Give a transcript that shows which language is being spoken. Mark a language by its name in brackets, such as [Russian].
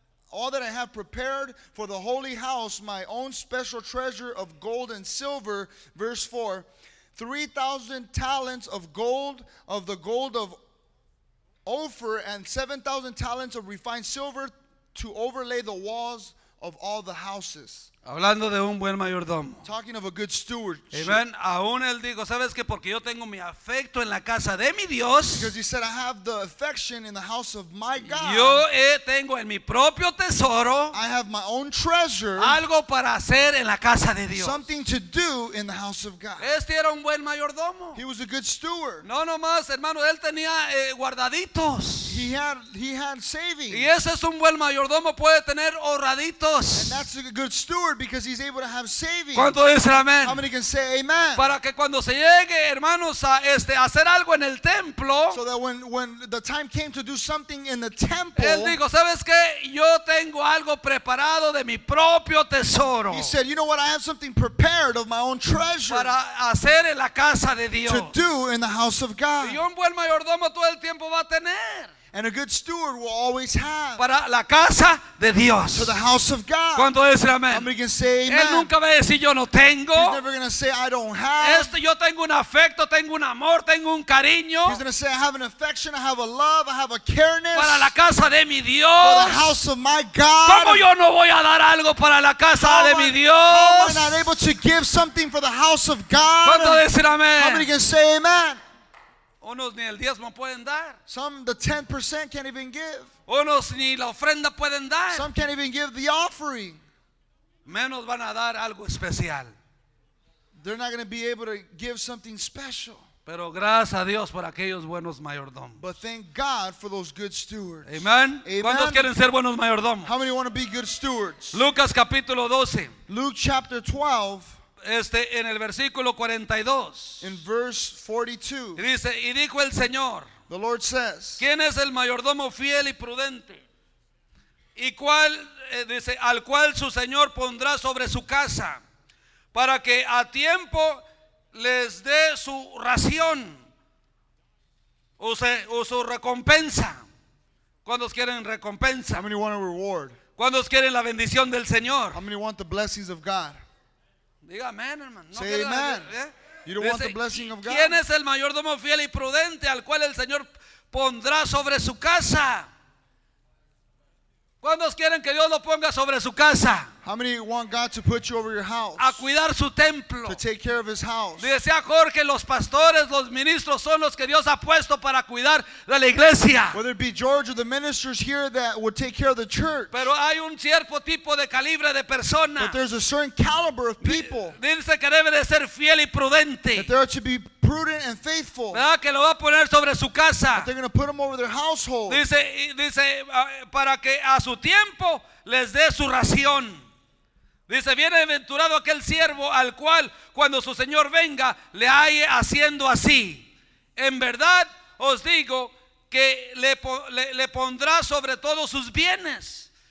[English] all that I have prepared for the holy house, my own special treasure of gold and silver, verse 4, 3,000 talents of gold, of the gold of Ophir, and 7,000 talents of refined silver to overlay the walls of all the houses. [Spanish] Hablando de un buen mayordomo. [English] Talking of a good steward. [Spanish] Amen. Aún él dijo, ¿sabes qué? Porque yo tengo mi afecto en la casa de mi Dios. [English] Because he said, I have the affection in the house of my God. [Spanish] Yo tengo en mi propio tesoro. [English] I have my own treasure. [Spanish] Algo para hacer en la casa de Dios. [English] Something to do in the house of God. [Spanish] Este era un buen mayordomo. [English] He was a good steward. [Spanish] No nomás, hermano, él tenía guardaditos. [English] He had savings. [Spanish] Y ese es un buen mayordomo, puede tener ahorraditos. [English] And that's a good steward. Because he's able to have savings. [Spanish] ¿Cuánto dice amén? [English] How many can say amen? [Spanish] Para que cuando se llegue, hermanos, a hacer algo en el templo. [English] So that when the time came to do something in the temple. [Spanish] Él dijo, ¿sabes qué? Yo tengo algo preparado de mi propio tesoro. [English] He said, you know what? I have something prepared of my own treasure. [Spanish] Para hacer en la casa de Dios. [English] To do in the house of God. [Spanish] Y un buen mayordomo todo el tiempo va a tener. [English] And a good steward will always have [Spanish] para la casa de Dios. [English] For the house of God. [Spanish] ¿Cuánto dice amén? [English] Somebody can say amen. [Spanish] Él nunca va a decir yo no tengo. [English] He's never going to say I don't have. [Spanish] Este, yo tengo un afecto, tengo un amor, tengo un cariño. [English] He's going to say I have an affection, I have a love, I have a careness. [Spanish] Para la casa de mi Dios. [English] For the house of my God. [Spanish] ¿Cómo yo no voy a dar algo para la casa de mi Dios? [English] How am I not able to give something for the house of God? [Spanish] ¿Cuánto dice amén? [English] Somebody can say amen. [Spanish] Unos ni el diezmo pueden dar. [English] Some the 10% can't even give. [Spanish] Unos ni la ofrenda pueden dar. [English] Some can't even give the offering. [Spanish] Menos van a dar algo especial. [English] They're not going to be able to give something special. [Spanish] Pero gracias a Dios por aquellos buenos mayordomos. [English] But thank God for those good stewards. Amen. Amen. [Spanish] ¿Cuántos quieren ser buenos mayordomos? [English] How many want to be good stewards? [Spanish] Lucas capítulo 12. [English] Luke chapter 12. [Spanish] Este, en el versículo 42. [English] In verse 42. [Spanish] Dice, y dijo el Señor. [English] The Lord says. [Spanish] ¿Quién es el mayordomo fiel y prudente? ¿Y cuál, dice, al cual su Señor pondrá sobre su casa? Para que a tiempo les dé su ración. O su recompensa. ¿Cuántos quieren recompensa? [English] How many want a reward? [Spanish] ¿Cuántos quieren la bendición del Señor? [English] How many want the blessings of God? [Spanish] Diga amén, hermano. [English] Say amen. You don't want the blessing of God. [Spanish] ¿Quién es el mayordomo fiel y prudente al cual el Señor pondrá sobre su casa? ¿Cuántos quieren que Dios lo ponga sobre su casa? [English] How many want God to put you over your house? [Spanish] A cuidar su templo. [English] To take care of his house. [Spanish] Dice a Jorge, los pastores, los ministros son los que Dios ha puesto para cuidar de la iglesia. [English] Whether it be George or the ministers here that would take care of the church. [Spanish] Pero hay un cierto tipo de calibre de persona. [English] But there's a certain caliber of people. [Spanish] Dice que debe de ser fiel y prudente. [English] That there are to be prudent and faithful. [Spanish] ¿Verdad? Que lo va a poner sobre su casa. [English] That they're going to put him over their household. [Spanish] Dice para que a su tiempo les dé su ración. Dice, bienaventurado aquel siervo al cual cuando su señor venga le halle haciendo así. En verdad os digo que le pondrá sobre todos sus bienes.